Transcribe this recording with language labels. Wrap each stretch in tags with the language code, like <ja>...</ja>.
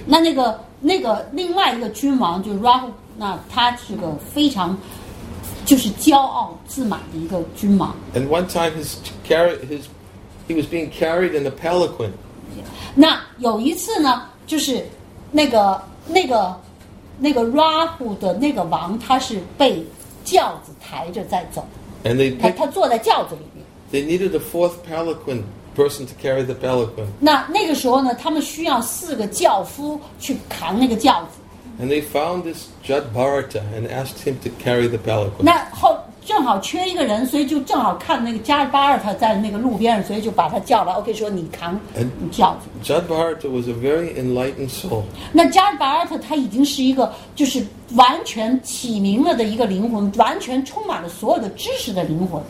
<zh>那个另外一个君王就是 Rahu， 那他是个非常就是骄傲自满的一个君王。</zh> <en>And one time he was being carried in a palanquin.</en> <zh>那有一次呢，就是那个 Rahu 的那个王，他是被轿子抬着在走。</zh> <en>And they picked,</en> <zh>他坐在轿子里面。</zh> <en>They needed a fourth palanquin. Person to carry the palanquin.</en> <zh>那个时候呢，他们需要四个轿夫去扛那个轿子。</zh> <en>And they found this Jad Bharata and asked him to carry the palanquin.</en> <zh>那后正好缺一个人，所以就正好看那个 Jad Bharata 在那个路边上，所以就把他叫来。OK， 说你扛轿子。</zh> <en>Jad Bharata was a very enlightened soul.</en> <zh>那 Jad Bharata 他已经是一个就是完全启明了的一个灵魂，完全充满了所有的知识的灵魂。</zh>